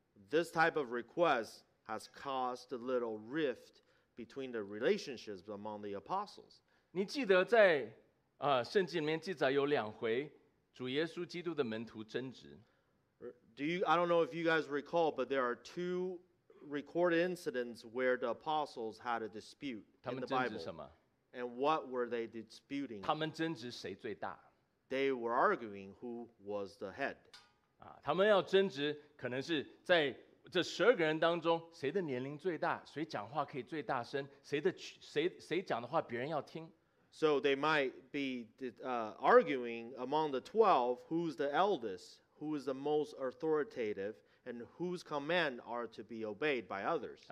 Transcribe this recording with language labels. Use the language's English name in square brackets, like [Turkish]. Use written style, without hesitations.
[English] This type of request has caused a little rift between the relationships among the apostles. [Chinese] 你记得在圣经里面记载有两回主耶稣基督的门徒争执。 [English] I don't know if you guys recall, but there are two recorded incidents where the apostles had a dispute in the Bible. And what were they disputing? [Chinese] 他们争执谁最大。 [English] They were arguing who was the head. [Chinese] 他们要争执，可能是在这十二个人当中，谁的年龄最大，谁讲话可以最大声，谁讲的话别人要听。 [English] So they might be arguing among the 12, who's the eldest, who is the most authoritative, and whose command are to be obeyed by others.